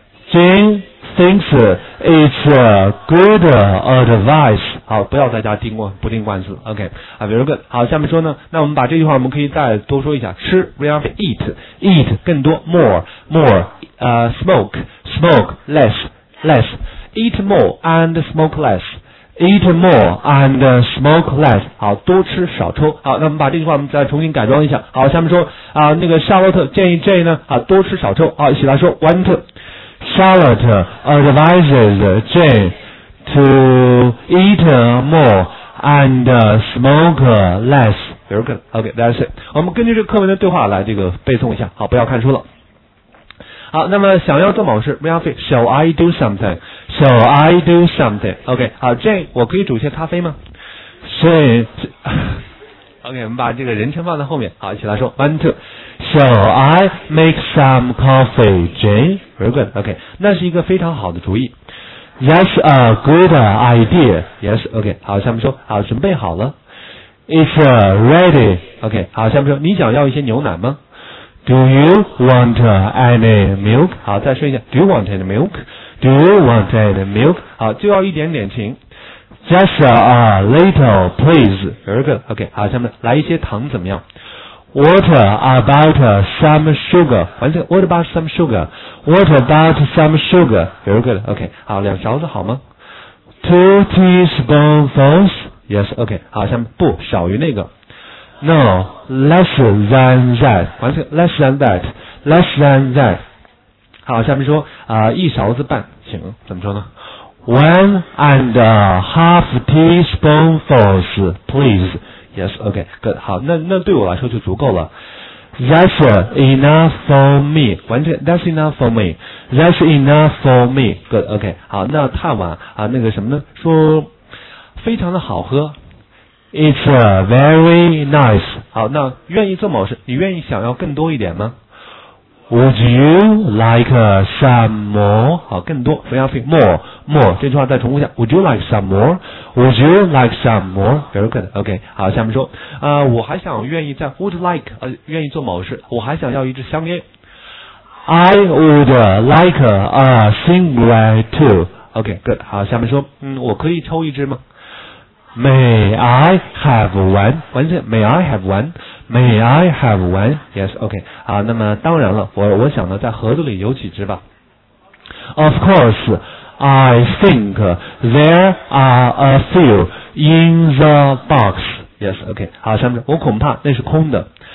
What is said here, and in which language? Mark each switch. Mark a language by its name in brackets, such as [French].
[English] Jane thinks it's a good advice. [Chinese] 好，不要在家盯过不盯罐子。 [English] OK, very good. [Chinese] 好，下面说呢，那我们把这句话我们可以再多说一下。吃 [English] we have eat, eat [Chinese] 更多 [English] more,smoke, less, eat more and smoke less, eat more and smoke less. [Chinese] 好，多吃少抽。好，那我们把这句话我们再重新改装一下。好，下面说啊，那个夏洛特建议 J 呢啊多吃少抽。好，一起来说 [English] one two. Charlotte advises Jane to eat more and smoke less. Very good. Okay, that's it. [Chinese] 我们根据这个课文的对话来这个背诵一下。好，不要看书了。好，那么想要做某事 ， [English] We have to. Shall I do something? Shall I do something? Okay. [Chinese] 好 ，Jane, 我可以煮一些咖啡吗 [English] ？Jane. [Chinese] Okay, 我们把这个人称放在后面。好，一起来说 ， [English] One, two. Shall I make some coffee, Jane? Very good. [Chinese] Okay, 那是一个非常好的主意。 [English] That's a good idea. Yes. Okay. [Chinese] 好，下面说，好，准备好了。 [English] It's ready. Okay. [Chinese] 好，下面说，你想要一些牛奶吗 [English] ？Do you want any milk? [Chinese] 好，再说一下 [English] ，Do you want any milk? Do you want any milk? [Chinese] 好，就要一点点，请。 [English] Just a little, please. Very good. Okay. [Chinese] 好，下面来一些糖怎么样？ [English] What about some sugar? What about some sugar? What about some sugar? Very good. Okay. [Chinese] 好，两勺子好吗 [English] ？Two teaspoonfuls. [Chinese] Yes. Okay. 好，下面不少于那个。 [English] No, less than that. Less than that. Less than that. [Chinese] 好，下面说啊、一勺子半，请怎么说呢 [English] ？One and a half teaspoonfuls, please. Yes, okay, good. [Chinese] 好，那对我来说就足够了。 [English] That's enough for me. [Chinese] 完全 [English] That's enough for me. That's enough for me. Good, okay. [Chinese] 好，那太晚啊，那个什么呢？说非常的好喝。 [English] It's very nice. [Chinese] 好，那愿意做某事，你愿意想要更多一点吗 [English] ？Would you like some more? [Chinese] 好，更多 [English] ，we have more, more. [Chinese] 这句话再重复一下 [English] ，Would you like some more? Would you like some more? Very good. OK. [Chinese] 好，下面说，我还想愿意在 [English] would like [Chinese] 愿意做某事，我还想要一支香烟。 [English] I would like a cigarette too. OK. Good. [Chinese] 好，下面说，我可以抽一支吗 [English] ？May I have one? [Chinese] 完全 [English] May I have one? May I have one? Yes. OK. [Chinese] 好，那么当然了，我想呢，在盒子里有几支吧。 [English] Of course. I think there are a few in the box. Yes, okay. [Chinese] 好，下面我恐怕那是空的。